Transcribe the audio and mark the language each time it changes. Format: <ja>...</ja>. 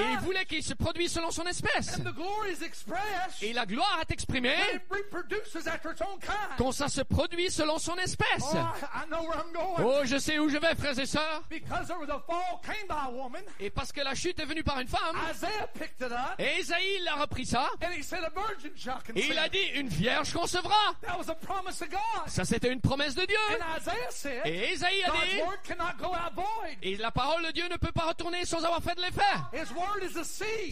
<fr>Et il voulait qu'il se produise selon son espèce.</fr> <en>And the glory is expressed,</en> <fr>et la gloire est exprimée,</fr> <en>and it reproduces after its own kind.</en> <fr>Quand ça se produit selon son espèce.</fr> <en>Oh, I know where I'm going.</en> <fr>Oh, je sais où je vais, frères et sœurs.</fr> <en>Because there was a fall came by a woman,</en> <fr>et parce que la chute est venue par une femme,</fr> <en>Isaiah picked it up,</en> <fr>et Isaïe l'a repris ça,</fr> <en>and he said, a virgin shall conceive.</en> <fr>Et il a dit, une vierge concevra.</fr> <en>That was a promise of God.</en> <fr>Ça, c'était une promesse de Dieu. Et Isaïe a dit, et la parole de Dieu ne peut pas retourner sans avoir fait de l'effet.</fr>